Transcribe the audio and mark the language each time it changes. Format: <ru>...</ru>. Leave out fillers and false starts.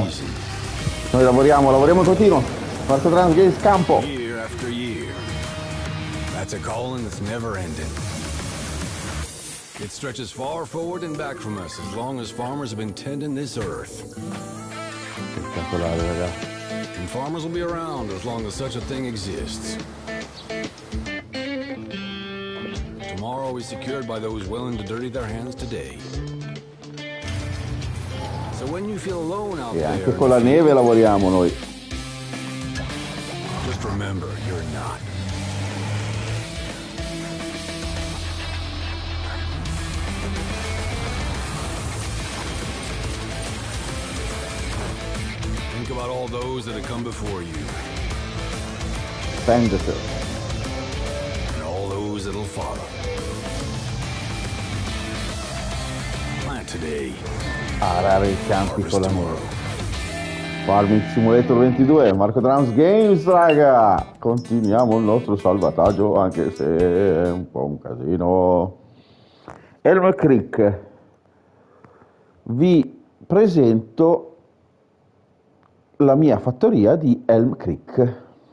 <it>Noi lavoriamo, lavoriamo continuo.</it> <en>Marco Trans Games Campo. Year after year. That's a calling that's never ending. It stretches far forward and back from us as long as farmers have been tending this earth.</en> <it>Spettacolare, ragazzi.</it> <en>And farmers will be around as long as such a thing exists. Tomorrow is secured by those willing to dirty their hands today. So when you feel alone out there,</en> <it>anche con la neve lavoriamo noi.</it> <en>Just remember, you're not. Think about all those that have come before you. Spend it. And all those that'll follow. Plant today.</en> <it>Arare i campi con l'amore. Farming Simulator 22, Marco Trans Games, raga! Continuiamo il nostro salvataggio, anche se è un po' un casino. Elm Creek. Vi presento la mia fattoria di Elm Creek.</it>